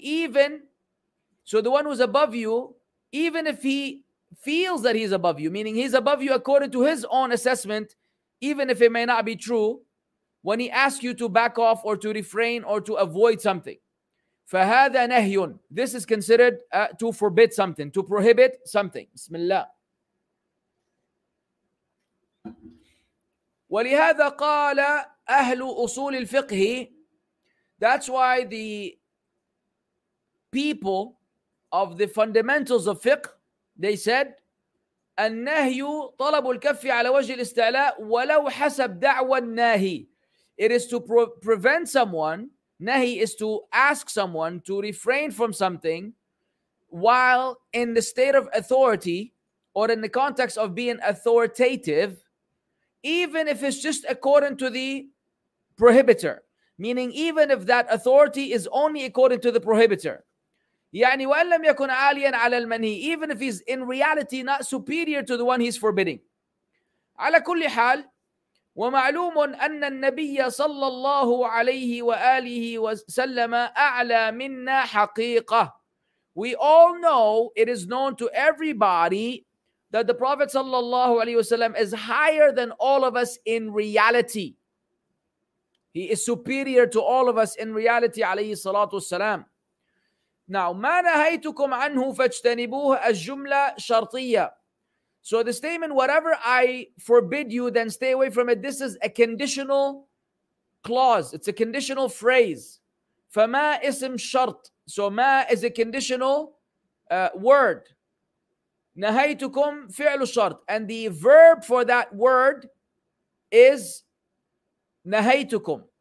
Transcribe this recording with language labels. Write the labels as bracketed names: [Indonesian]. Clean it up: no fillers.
[English] Even, so the one who's above you, even if he feels that he's above you, meaning he's above you according to his own assessment, even if it may not be true, when he asks you to back off or to refrain or to avoid something. [Arabic] فهذا نهي. [English] This is considered to forbid something, to prohibit something. [Arabic] بسم الله. ولهذا قال أهل أصول الفقه. [English] That's why the people of the fundamentals of fiqh, they said, [Arabic] النهي طلب الكف على وجه الاستعلاء ولو حسب دعوى الناهي. [English] It is to prevent someone. Nahi is to ask someone to refrain from something while in the state of authority or in the context of being authoritative, even if it's just according to the prohibitor. Meaning even if that authority is only according to the prohibitor. [Arabic] يعني وأن لم يكن عاليا على المنهي. [English] Even if he's in reality not superior to the one he's forbidding. [Arabic] على كل حال ومعلوم أن النبي صلى الله عليه وآله وسلم أعلى منا حقيقة. [English] We all know, it is known to everybody, that the Prophet [Arabic] صلى الله عليه وسلم [English] is higher than all of us in reality. He is superior to all of us in reality, [Arabic] عليه الصلاة والسلام. [English] Now, [Arabic] ما نهيتكم عنه فاجتنبوه الجملة شرطية. [English] So the statement, whatever I forbid you, then stay away from it. This is a conditional clause. It's a conditional phrase. [Arabic] فما اسم شرط. [English] So ما is a conditional word. [Arabic] نهيتكم فعل شرط. [English] And the verb for that word is نهيتكم.